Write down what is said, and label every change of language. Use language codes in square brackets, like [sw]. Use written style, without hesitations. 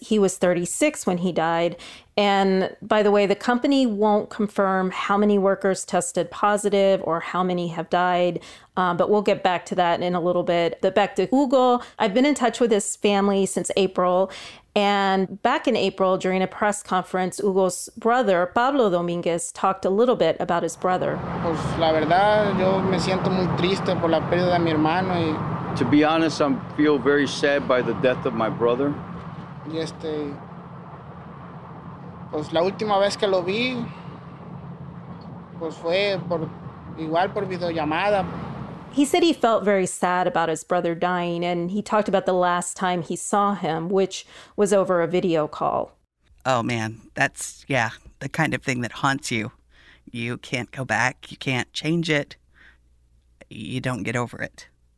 [en] He was 36 when he died. And by the way, the company won't confirm how many workers tested positive or how many have died, but we'll get back to that in a little bit. But back to Hugo, I've been in touch with his family since April. And back in April, during a press conference, Hugo's brother, Pablo Dominguez, talked a little bit about his brother. [es] Pues la verdad, yo me siento muy triste por la pérdida de mi hermano y... [en] To be honest, I feel very sad by the death of my brother. [es] Y pues la última vez que lo vi, pues fue por, igual por videollamada. [en] He said he felt very sad about his brother dying, and he talked about the last time he saw him, which was over a video call. Oh, man. That's, yeah, the kind of thing that haunts you. You can't go back. You can't change it. You don't get over it.